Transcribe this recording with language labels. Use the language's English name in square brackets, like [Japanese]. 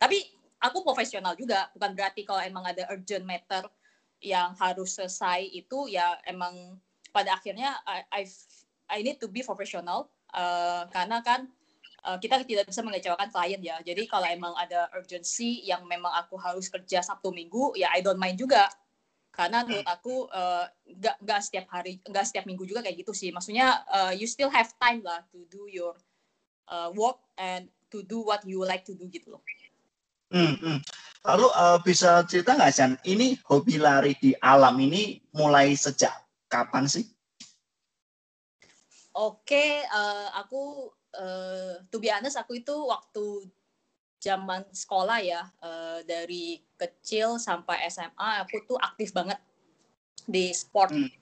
[Indonesian] Tapi aku profesional juga, bukan berarti kalau emang ada [English] urgent matter [Indonesian] yang harus selesai itu ya emang pada akhirnya [English] I need to be professional. [Indonesian] Karena kan kita tidak bisa mengecewakan klien ya. Jadi kalau emang ada urgency yang memang aku harus kerja Sabtu Minggu, ya [English] I don't mind [Indonesian] juga. Karena menurut aku gak setiap hari, gak setiap minggu juga kayak gitu sih. Maksudnya [English] you still have time [Indonesian] lah [English] to do your work and to do what you like to do [Indonesian] gitu loh. Lalu bisa cerita gak Sian, ini hobi lari di alam ini mulai sejak kapan sih? Oke, aku [English] to be honest, [Indonesian] aku itu waktu zaman sekolah ya, dari kecil sampai SMA aku tuh aktif banget di sport.